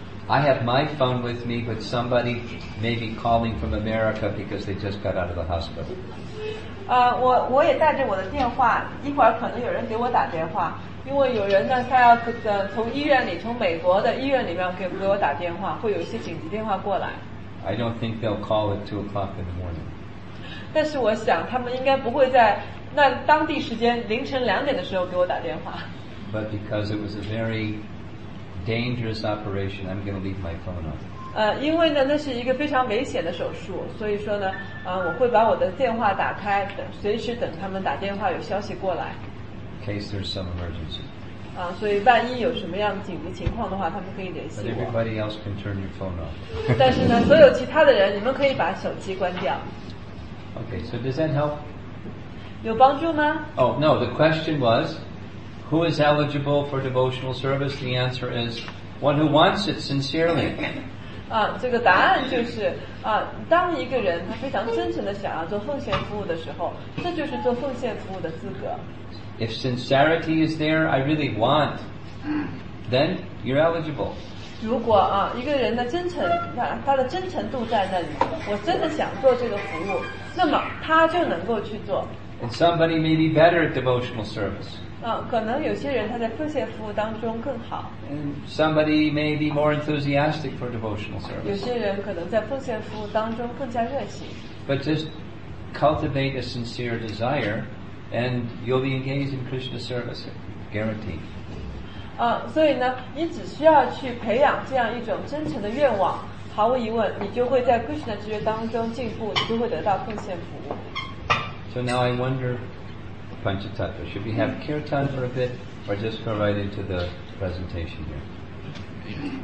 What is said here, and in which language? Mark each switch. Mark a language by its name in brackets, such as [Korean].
[English] I have my phone with me, but somebody may be calling from America because they just got out of the hospital. [Chinese] 我也带着我的电话，一会儿可能有人给我打电话，因为有人呢，他要从医院里，从美国的医院里面给我打电话，会有一些紧急电话过来。 [English] I don't think they'll call at 2 o'clock in the morning. [Chinese] 但是我想他们应该不会在那当地时间凌晨两点的时候给我打电话。 [English] But because it was a very dangerous operation, I'm going to leave my phone on. [Chinese] 因为呢那是一个非常危险的手术，所以说呢我会把我的电话打开，等随时等他们打电话有消息过来。 [English] In case there's some emergency. [Chinese] 所以万一有什么样紧急情况的话，他们可以联系我。 [English] But everybody else can turn your phone off. [Chinese] 但是呢，所有其他的人，你们可以把手机关掉。 [English] Okay, so does that help? [Chinese] 有帮助吗？ [English] Oh no, the question was, who is eligible for devotional service? The answer is, one who wants it sincerely. [Chinese] 这个答案就是当一个人他非常真诚的想要做奉献服务的时候，这就是做奉献服务的资格。 [English] If sincerity is there, I really want, then you're eligible. [Chinese] 如果一个人的真诚，他的真诚度在那里，我真的想做这个服务，那么他就能够去做。 [English] And somebody may be better at devotional service. [Chinese] 可能有些人他在奉献服务当中更好。 [English] And somebody may be more enthusiastic for devotional service. [Chinese] 有些人可能在奉献服务当中更加热情。 [English] But just cultivate a sincere desire. And you'll be engaged in Krishna service, guaranteed. [Chinese] 所以呢，你只需要去培养这样一种真诚的愿望，毫无疑问，你就会在 Krishna 职业当中进步，你就会得到奉献服务。 [English] So now I wonder, Panchatattva, should we have kirtan for a bit, or just go right into the presentation here?